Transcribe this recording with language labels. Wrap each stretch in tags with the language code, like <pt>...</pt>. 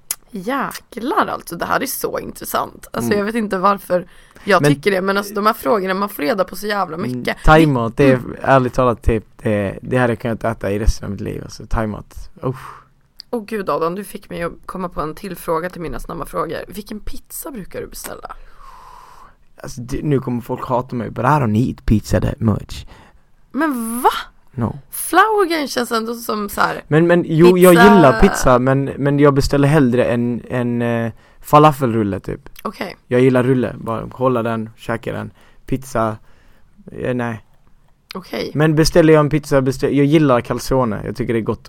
<sv>Jäklar, alltså det här är så intressant. Alltså jag vet inte varför jag tycker det, men alltså de här frågorna, man får reda på så jävla mycket. Thai-mat, det är ärligt talat typ det här kan jag inte äta i resten av mitt liv. Alltså thai-mat, usch. Åh gud, Adam, du fick mig att komma på en till fråga till mina snabba frågor. Vilken pizza brukar du beställa? Alltså nu kommer folk hata mig,</sv> <en>but I don't eat pizza that much.</en> <sv>Men va?</sv> <en>No.</en> <sv>Flower game känns ändå som så här. Men jo, pizza. Jag gillar pizza, men jag beställer hellre en falafelrulle typ. Okej.</sv> <en>Okay.</en> <sv>Jag gillar rulle, bara hålla den, käka den. Pizza, nej. Okej.</sv> <en>Okay.</en> <sv>Men beställer jag en pizza, jag gillar calzone, jag tycker det är gott.</sv>